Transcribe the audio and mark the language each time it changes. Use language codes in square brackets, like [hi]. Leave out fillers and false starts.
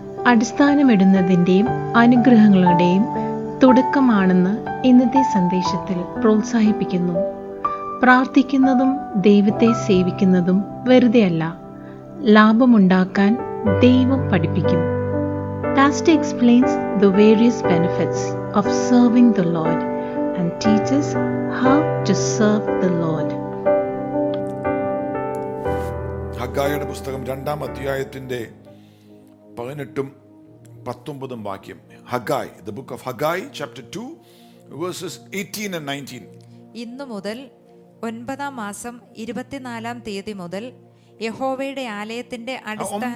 [ml] അടിസ്ഥാനമിടുന്നതിൻ്റെയും അനുഗ്രഹങ്ങളുടെയും തുടക്കമാണെന്ന് ഇന്നത്തെ സന്ദേശത്തിൽ പ്രോത്സാഹിപ്പിക്കുന്നു. പ്രാർത്ഥിക്കുന്നതും ദൈവത്തെ സേവിക്കുന്നതും വെറുതെയല്ല, ലാഭമുണ്ടാക്കാൻ ദൈവം പഠിപ്പിക്കും. [en] Pastor explains the various benefits of serving the Lord and teaches how to serve the Lord. [ml] ഹഗ്ഗായിയുടെ പുസ്തകം രണ്ടാം അധ്യായത്തിന്റെ 18-19 വാക്യം. [en] Haggai, the book of Haggai, chapter 2, verses 18 and 19. [ml] ഇന്നു മുതൽ 9-ാം മാസം 24-ാം തീയതി മുതൽ യഹോവയുടെ ആലയത്തിന്റെ അടിസ്ഥാന